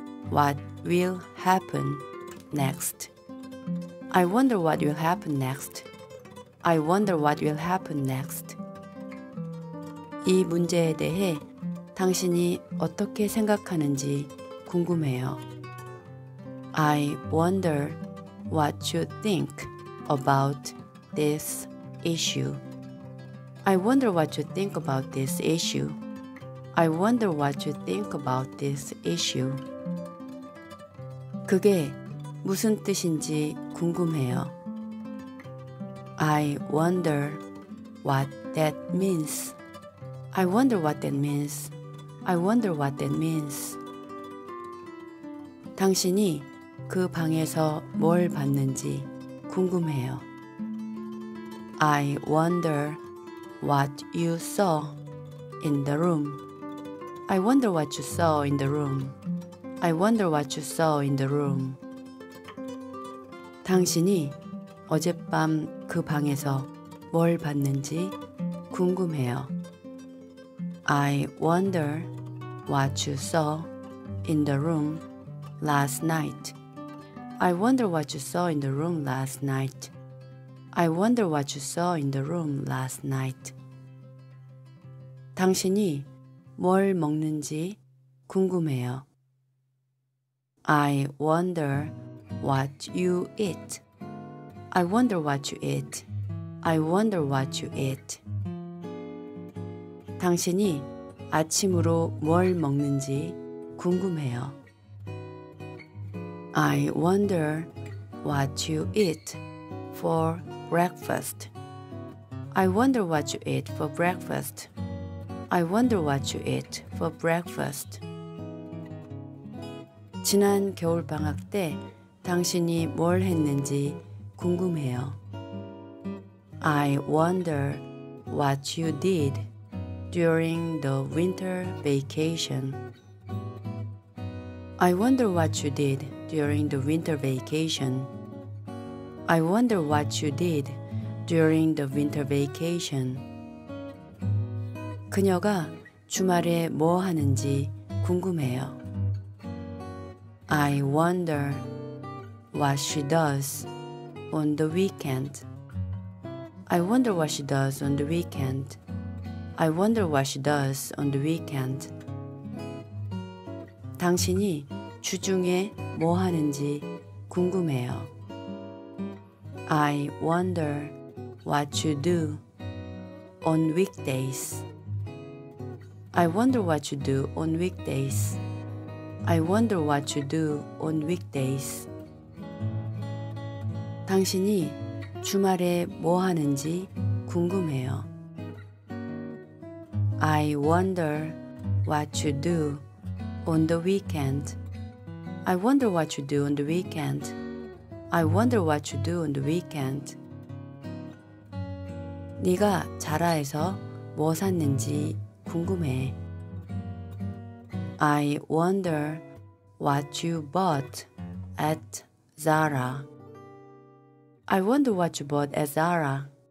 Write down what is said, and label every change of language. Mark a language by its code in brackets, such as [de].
[en] what will happen next. I wonder what will happen next. I wonder what will happen next. [ko] 이 문제에 대해 당신이 어떻게 생각하는지 궁금해요. [en] I wonder what you think about this issue. I wonder what you think about this issue. I wonder what you think about this issue. [ko] 그게 무슨 뜻인지 궁금해요. [en] I wonder what that means. I wonder what that means. I wonder what that means. [ko] 당신이 그 방에서 뭘 봤는지 궁금해요. [en] I wonder what you saw in the room. I wonder what you saw in the room. I wonder what you saw in the room. [ko] 당신이 어젯밤 그 방에서 뭘 봤는지 궁금해요. [en] I wonder what you saw in the room last night. I wonder what you saw in the room last night. I wonder what you saw in the room last night. [ko] 당신이 뭘 먹는지 궁금해요. [en] I wonder what you eat. I wonder what you eat. I wonder what you eat. [ko] 당신이 아침으로 뭘 먹는지 궁금해요. [en] I wonder what you eat for breakfast. I wonder what you eat for breakfast. I wonder what you eat for breakfast. [ko] 지난 겨울 방학 때 당신이 뭘 했는지 궁금해요. [en] I wonder what you did during the winter vacation. I wonder what you did during the winter vacation. I wonder what you did during the winter vacation. [ko] 그녀가 주말에 뭐 하는지 궁금해요. [en] I wonder what she does on the weekend. I wonder what she does on the weekend. I wonder what she does on the weekend. [ko] 당신이 주중에 뭐 하는지 궁금해요. [en] I wonder what you do on weekdays. I wonder what you do on weekdays. I wonder what you do on weekdays. [ko] 당신이 주말에 뭐 하는지 궁금해요. [en] I wonder what you do on the weekend. I wonder what you do on the weekend. I wonder what you do on the weekend. [ko] 네가 자라에서 뭐 샀는지 궁금해. [en] I wonder what you bought at Zara. I wonder what you bought at Zara.